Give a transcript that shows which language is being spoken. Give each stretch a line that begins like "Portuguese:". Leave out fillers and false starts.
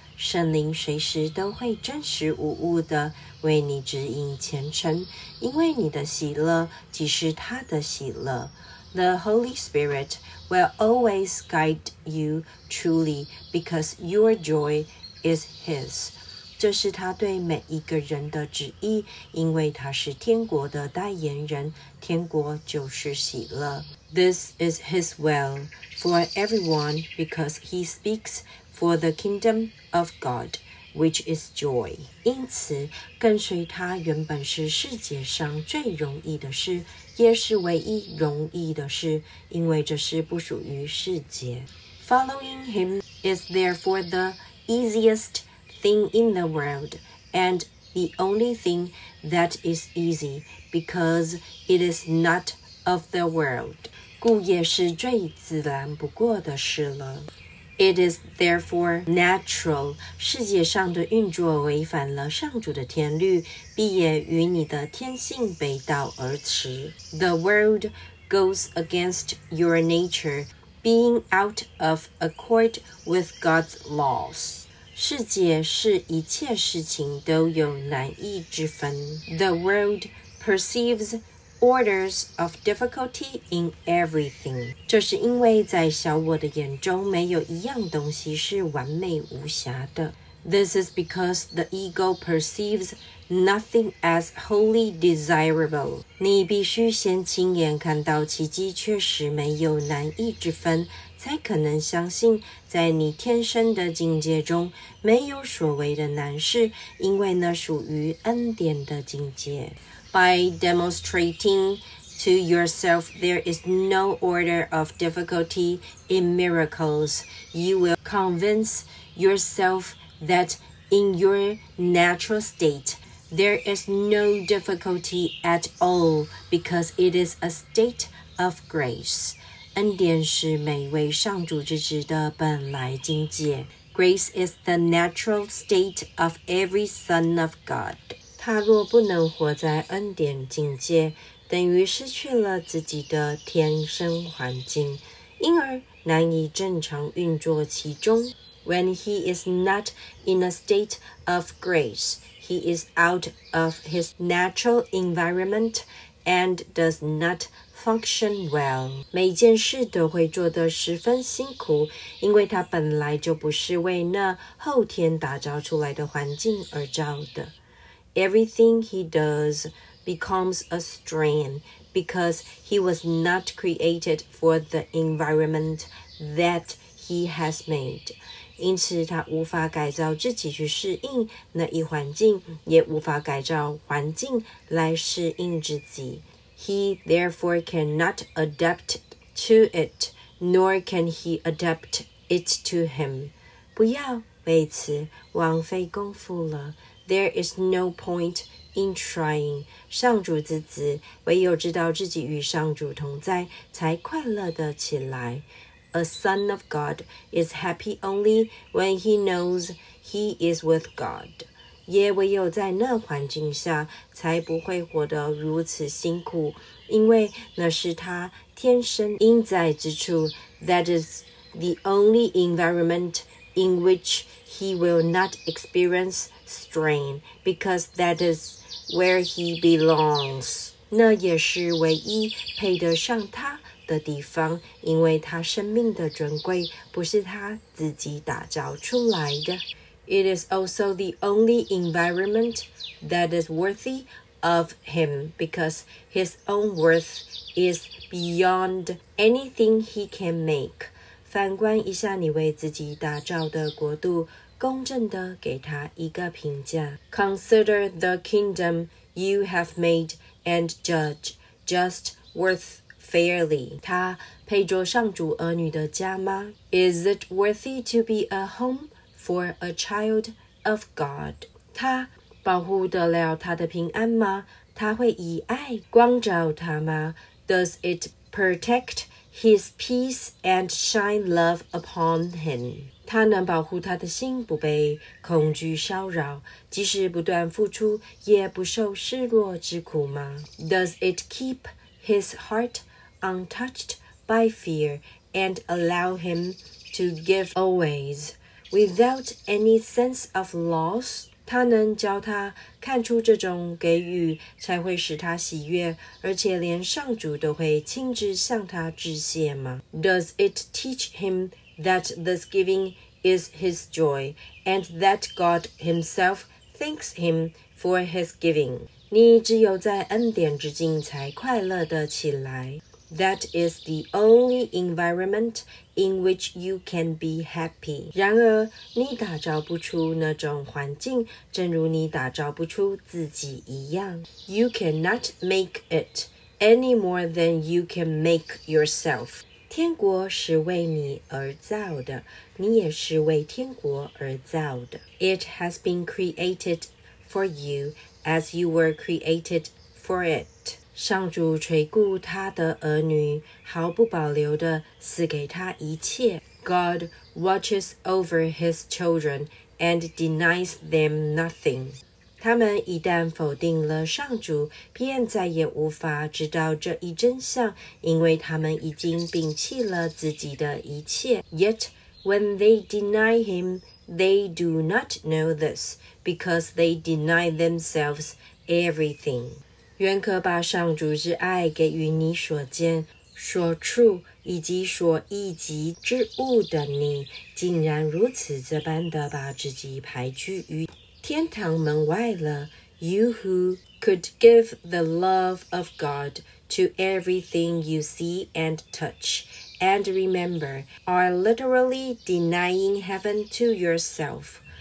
Chinese: 圣灵随时都会暂时无误的为你指引前程，因为你的喜乐即是他的喜乐。
English: The Holy Spirit will always guide you truly because your joy is His.
Chinese: 这是他对每一个人的旨意，因为他是天国的代言人，天国就是喜乐。
English: This is His will for everyone because He speaks for the kingdom of God, which is joy.
Chinese: 因此，跟随他原本是世界上最容易的事，也是唯一容易的事，因为这是不属于世界。
English: Following him is therefore the easiest thing in the world, and the only thing that is easy, because it is not of the world.
Chinese: 故也是最自然不过的事了。
English: It is therefore natural.
Chinese: 世界上的运作违反了上主的天律，必也与你的天性背道而驰。
English: The world goes against your nature, being out of accord with God's laws.
Chinese: 世界是一切事情都有难易之分。
English: The world perceives orders of difficulty in everything.
Chinese: 这是因为在小我的眼中没有一样东西是完美无瑕的。
English: This is because the ego perceives nothing as wholly desirable.
Chinese: 你必须先亲眼看到奇迹确实没有难易之分，才可能相信在你天生的境界中没有所谓的难事，因为那属于恩典的境界。
English: By demonstrating to yourself there is no order of difficulty in miracles, you will convince yourself that in your natural state there is no difficulty at all because it is a state of grace.
Chinese: 恩典是每位上主之子的本来境界。
English: Grace is the natural state of every son of God.
Chinese: 他若不能活在恩典境界，等于失去了自己的天生环境，因而难以正常运作其中。
English: When he is not in a state of grace, he is out of his natural environment and does not function well.
Chinese: 每件事都会做得十分辛苦，因为他本来就不是为那后天打造出来的环境而造的。
English: Everything he does becomes a strain because he was not created for the environment that he has made.
Chinese: 因此他无法改造自己去适应那一环境，也无法改造环境来适应自己。
English: He therefore cannot adapt to it, nor can he adapt it to him.
Chinese: 不要为此枉费功夫了。
English: There is no point in trying.
Chinese: 上主之子唯有知道自己与上主同在，才快乐的起来。
English: A son of God is happy only when he knows he is with God.
Chinese: 也唯有在那环境下才不会活得如此辛苦，因为那是他天生应在之处。
English: That is the only environment in which he will not experienceStrain, because that is where he belongs.
Chinese: 那也是唯一配得上他的地方，因为他生命的尊贵不是他自己打造出来的。
English: It is also the only environment that is worthy of him, because his own worth is beyond anything he can make.
Chinese: 反观一下你为自己打造的国度，公正地给他一个评价。
English: Consider the kingdom you have made and judge just worth fairly.
Chinese: 他配作上主儿女的家吗？
English: Is it worthy to be a home for a child of God?
Chinese: 他保护得了他的平安吗？他会以爱光照他吗？
English: Does it protect his peace and shine love upon him.
Chinese: 他能保护他的心不被恐惧骚扰，即使不断付出也不受示弱之苦吗？
English: Does it keep his heart untouched by fear and allow him to give always without any sense of loss?
Chinese: 他能教他看出这种给予才会使他喜悦，而且连上主都会亲自向他致谢吗？
English: Does it teach him that this giving is his joy and that God himself thanks him for his giving?
Chinese: 你只有在恩典之境才快乐得起来。
English: That is the only environment in which you can be happy.
Chinese: 然而你打造不出那种环境，正如你打造不出自己一样。
English: You cannot make it any more than you can make yourself.
Chinese: 天国是为你而造的，你也是为天国而造的。
English: It has been created for you as you were created for it.
Chinese: 上主垂顾他的儿女，毫不保留地赐给他一切。
English: God watches over his children and denies them nothing.
Chinese: 他们一旦否定了上主，便再也无法知道这一真相，因为他们已经摒弃了自己的一切。
English: Yet when they deny him, they do not know this, because they deny themselves everything.
Chinese: 愿可把上主之爱给予你所见所处以及所忆及之物的你，竟然如此这般的把自己排拒于天堂门外了。
English: You who could give the love of God to everything you see and touch and remember are literally denying heaven to yourself.